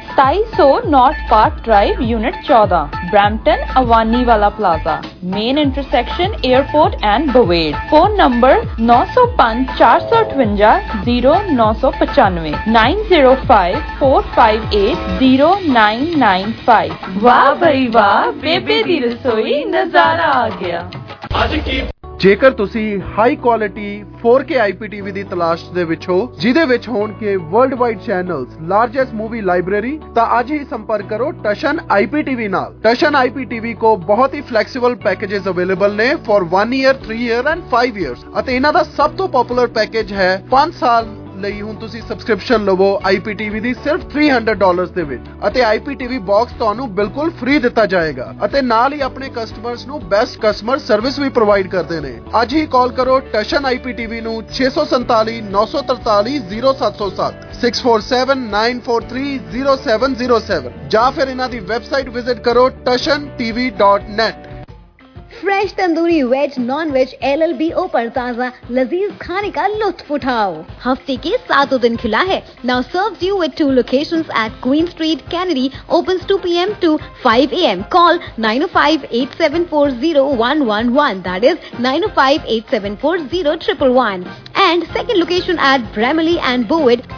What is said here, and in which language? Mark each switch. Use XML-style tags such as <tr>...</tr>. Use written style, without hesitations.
<en>2700 north park drive unit 14 Brampton Avani वाला plaza main intersection airport and Bovaird phone number 905-458-0995 905-458-0995</en> <pa>वाह भाई वाह बेबे दी रसोई नजारा आ गया आज की ਜੇਕਰ ਤੁਸੀਂ ਹਾਈ ਕੁਆਲਿਟੀ 4K IPTV ਦੀ ਤਲਾਸ਼ ਦੇ ਵਿੱਚ ਹੋ ਜਿਹਦੇ ਵਿੱਚ ਹੋਣਗੇ world wide channels largest movie library ਤਾਂ ਅੱਜ ਹੀ ਸੰਪਰਕ ਕਰੋ ਟਸ਼ਨ IPTV ਨਾਲ ਟਸ਼ਨ IPTV ਕੋ ਬਹੁਤ ਹੀ ਫਲੈਕਸੀਬਲ ਪੈਕੇਜਸ ਅਵੇਲੇਬਲ ਨੇ for 1 year 3 year and 5 years ਅਤੇ ਇਹਨਾਂ ਦਾ ਸਭ ਤੋਂ ਪਾਪੂਲਰ ਪੈਕੇਜ ਹੈ 5 ਸਾਲ ਲਈ ਹੁਣ ਤੁਸੀਂ ਸਬਸਕ੍ਰਿਪਸ਼ਨ ਲਵੋ IPTV ਦੀ ਸਿਰਫ $300 ਦੇ ਵਿੱਚ ਅਤੇ IPTV ਬਾਕਸ ਤੁਹਾਨੂੰ ਬਿਲਕੁਲ ਫ੍ਰੀ ਦਿੱਤਾ ਜਾਏਗਾ ਅਤੇ ਨਾਲ ਹੀ ਆਪਣੇ ਕਸਟਮਰਸ ਨੂੰ ਬੈਸਟ ਕਸਟਮਰ ਸਰਵਿਸ ਵੀ ਪ੍ਰੋਵਾਈਡ ਕਰਦੇ ਨੇ ਅੱਜ ਹੀ ਕਾਲ ਕਰੋ ਟਸ਼ਨ IPTV ਨੂੰ 647-943-0707 647-943-0707 ਜਾਂ ਫਿਰ ਇਹਨਾਂ ਦੀ ਵੈਬਸਾਈਟ ਵਿਜ਼ਿਟ ਕਰੋ tashantv.net</pa> <en>fresh tandoori veg non veg LLB open</en> <hi>ताज़ा लजीज खाने का लुत्फ उठाओ हफ्ते के 7 दिन खुला है</hi> <en>now serves you with 2 locations at Queen Street Canary opens 2 PM to 5 AM call 9058740111 that is 9058740111 and second location at Bramley and Bovid</en>